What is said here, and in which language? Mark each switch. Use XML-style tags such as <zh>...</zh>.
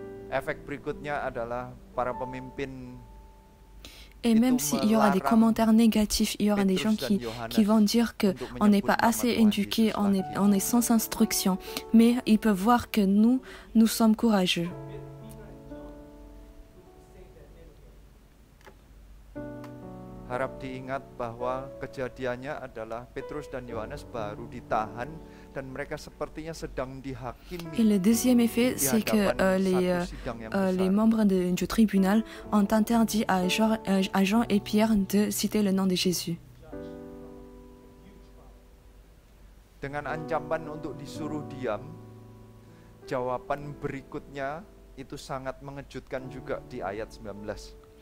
<id>Efek berikutnya adalah para pemimpin.</id> <fr>Et même s'il y aura des commentaires négatifs, il y aura des gens qui vont dire qu'on n'est pas assez éduqué, on est sans instruction. Mais ils peuvent voir que nous sommes courageux.</fr> <id>Harap diingat bahwa kejadiannya adalah Petrus dan Yohanes baru ditahan. Dan mereka sepertinya sedang dihakimi.</id> <fr>Et le deuxième effet, c'est que les membres du tribunal ont interdit à Jean et Pierre de citer le nom de Jésus.</fr> <id>Dengan ancaman untuk disuruh diam, jawaban berikutnya itu sangat mengejutkan juga di ayat 19.</id>